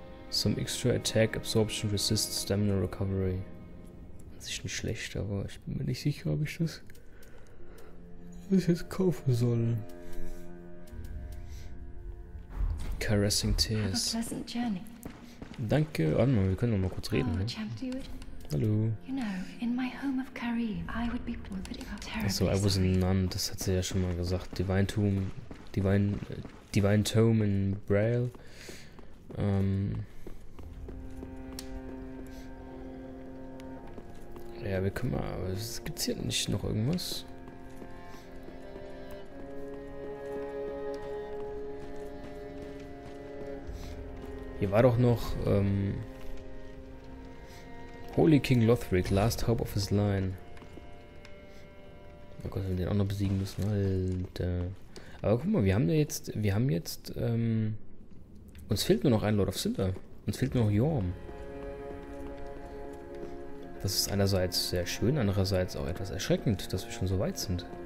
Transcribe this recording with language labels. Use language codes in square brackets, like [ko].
[en] Some extra attack absorption resist stamina recovery. [de] Das ist nicht schlecht, aber ich bin mir nicht sicher, ob ich das jetzt kaufen soll. Caressing Tears. Danke. Oh, wir können noch mal kurz reden. Ne? Hallo. [en] You know, in my home of Karim, I would be [de] Achso, [en] I was a nun, [de] das hat sie ja schon mal gesagt. Divine Tome in Braille. Ja, wir können mal. Aber es gibt hier nicht noch irgendwas. Hier war doch noch. [en] Holy King Lothric, last hope of his line. [de] Oh Gott, wir den auch noch besiegen müssen, Alter. Aber guck mal, wir haben ja jetzt, wir haben jetzt, uns fehlt nur noch ein Lord of Cinder. Uns fehlt nur noch Jorm. Das ist einerseits sehr schön, andererseits auch etwas erschreckend, dass wir schon so weit sind.